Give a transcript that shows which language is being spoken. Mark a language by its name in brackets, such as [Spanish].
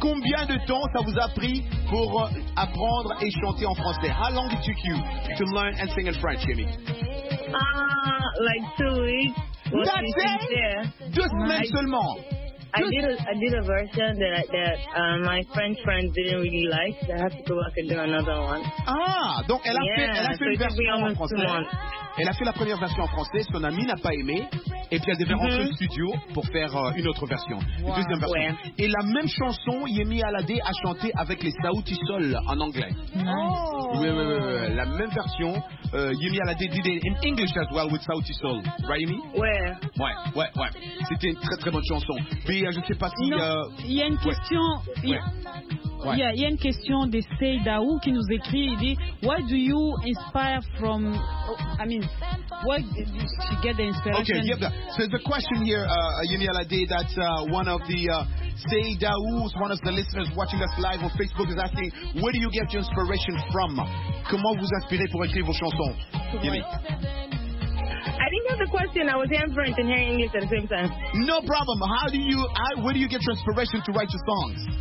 [French] Combien de temps ça vous a pris pour apprendre et chanter en français? [English] How long it took you to learn and sing in French, Jimmy? Like 2 weeks. That's it? [French] 2 semaines seulement. [English] I did a version that my French friends didn't really like. So I had to go back and do another one. [French] Donc elle a fait la première version en français. Son ami n'a pas aimé. Et puis elle devait rentrer au studio pour faire une autre version. Wow. Deuxième version. Ouais. Et la même chanson, Yemi Alade a chanté avec les Saouti Sol en anglais. Oh. Oui. La même version, [English] Yemi Alade did it in English as well with Saouti Sol. Right, Yemi? [French] Ouais. C'était une très très bonne chanson. Mais je ne sais pas si... Il y a une question... Il y a une question de Seydaou qui nous écrit. Il dit, [English] what do you inspire from... I mean, what did you get the inspiration? Okay, yep. So there's a question here, Yemi Alade, that one of the Seydaou, one of the listeners watching us live on Facebook, is asking, where do you get your inspiration from? [French] Comment vous inspirez pour écrire vos chansons, Yemi? [English] I didn't have the question. I was hearing French and hearing English at the same time. No problem. Where do you get inspiration to write your songs?